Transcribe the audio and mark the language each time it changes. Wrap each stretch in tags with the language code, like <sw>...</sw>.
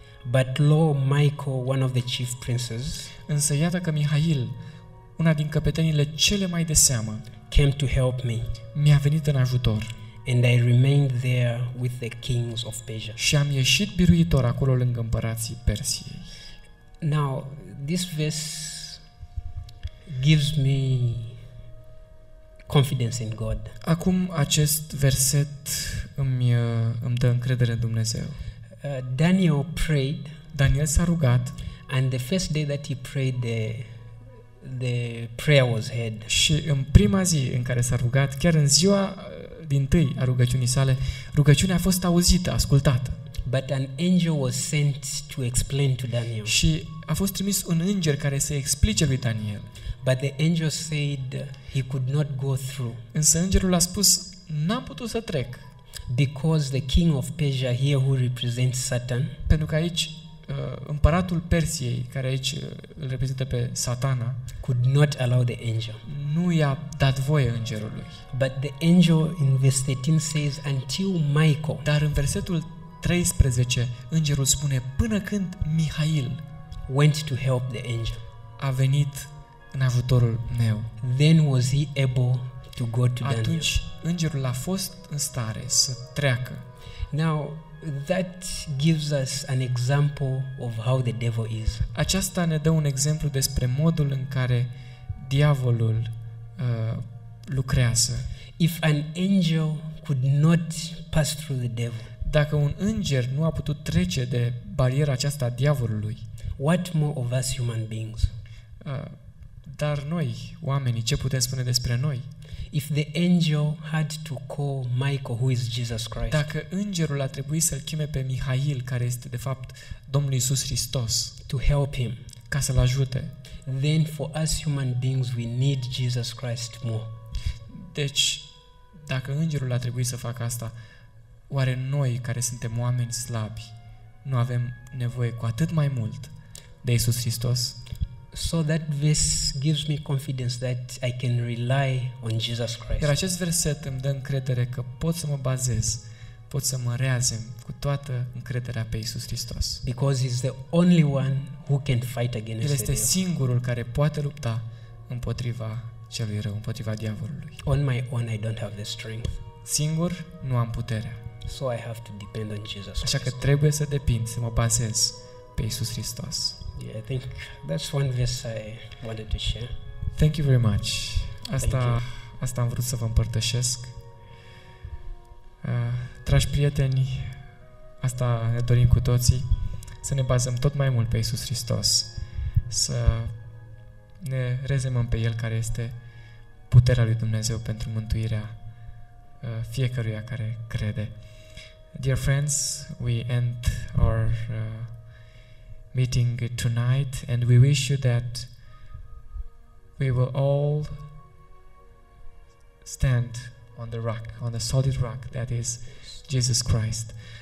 <en>But lo, Michael, one of the chief princes,</en> <ro>însă iată că Mihail, una din căpetenile cele mai de seamă,</ro> <en>came to help me,</en> <ro>mi-a venit în ajutor.</ro> <en>And I remained there with the kings of Persia.</en> <ro>Și am ieșit biruitor acolo lângă împărații Persiei.</ro> <en>Now, this verse gives me confidence in God.</en> <ro>Acum acest verset îmi dă încredere în Dumnezeu.</ro> <en>Daniel prayed.</en> <ro>Daniel s-a rugat.</ro> <en>And the first day that he prayed, the prayer was heard.</en> <ro>Și în prima zi în care s-a rugat, chiar în ziua din tâi a rugăciunii sale, rugăciunea a fost auzită, ascultată.</ro> <en>But an angel was sent to explain to Daniel.</en> <ro>Și a fost trimis un înger care să explice lui Daniel.</ro> <en>But the angel said he could not go through.</en> <ro>Însă îngerul a spus n-am putut să trec.</ro> <en>Because the king of Persia here who represents Satan.</en> <ro>Pentru că aici împăratul Persiei, care aici îl reprezintă pe Satana,</ro> <en>could not allow the angel.</en> <ro>Nu i-a dat voie îngerului.</ro> <en>But the angel in verse 13 says until Michael.</en> <ro>Dar în versetul 13 îngerul spune până când Mihail</ro> <en>went to help the angel.</en> <ro>A venit în ajutorul meu.</ro> <en>Then was he able to go to Daniel.</en> <ro>Atunci îngerul a fost în stare să treacă.</ro> <en>Now that gives us an example of how the devil is.</en> <ro>Aceasta ne dă un exemplu despre modul în care diavolul lucrează.</ro> <en>If an angel could not pass through the devil.</en> <ro>Dacă un înger nu a putut trece de bariera aceasta a diavolului.</ro> <en>What more of us human beings?</en> <ro>Dar noi, oamenii, ce putem spune despre noi?</ro> <en>If the angel had to call Michael, who is Jesus Christ.</en> <ro>Dacă îngerul a trebuit să-l cheme pe Mihail, care este de fapt Domnul Iisus Hristos,</ro> <en>to help him,</en> <ro>ca să-l ajute.</ro> <en>Then for us human beings we need Jesus Christ more.</en> <ro>Deci dacă îngerul a trebuit să facă asta, oare noi care suntem oameni slabi, nu avem nevoie cu atât mai mult de Iisus Hristos?</ro> <en>So that verse gives me confidence that I can rely on Jesus Christ.</en> <ro>Iar acest verset îmi dă încredere că pot să mă bazez, pot să mă reazem cu toată încrederea pe Iisus Hristos.</ro> <en>Because he's the only one who can fight against.</en> <ro>El este singurul care poate lupta împotriva celui rău, împotriva diavolului.</ro> <en>On my own I don't have the strength.</en> <ro>Singur nu am puterea.</ro> <en>So I have to depend on Jesus Christ.</en> <ro>Așa că trebuie să depind, să mă bazez pe Iisus Hristos.</ro> <en>Yeah, I think that's one verse I wanted to share. Thank you very much.</en> <ro>Asta am vrut să vă împărtășesc. Dragi prieteni, asta ne dorim cu toții, să ne bazăm tot mai mult pe Iisus Hristos, să ne rezemăm pe El care este puterea lui Dumnezeu pentru mântuirea fiecăruia care crede.</ro> <en>Dear friends, we end our meeting tonight and we wish you that we will all stand on the rock, on the solid rock that is Jesus Christ.</en>